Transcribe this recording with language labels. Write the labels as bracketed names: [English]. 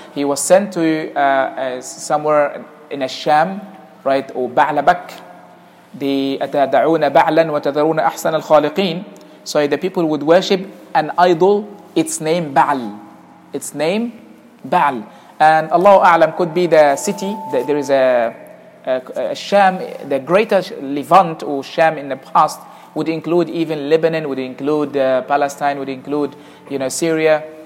[English] He was sent to somewhere in Sham, right? Or Ba'labak. They [Arabic] تدعون بعلا وتذرون أحسن الخالقين. [English] So the people would worship an idol. Its name Ba'al. Its name Ba'al. And Allah أعلم could be the city. That there is a Sham, the greater Levant or Sham in the past would include even Lebanon, would include Palestine, would include, you know, Syria.